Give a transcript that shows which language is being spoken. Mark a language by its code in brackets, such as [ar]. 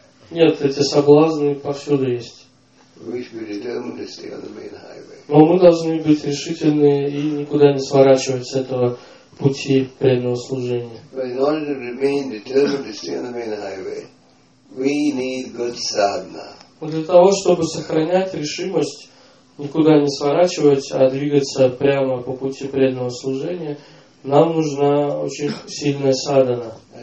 [ru] Нет, эти соблазны повсюду есть. Но мы должны быть решительны и никуда не сворачивать с этого пути преданного служения. [en] But in order to remain determined to stay on the main highway, we need good sadhana. [ru] Для того, чтобы сохранять решимость никуда не сворачивать, а двигаться прямо по пути преданного служения, нам нужна очень сильная садхана.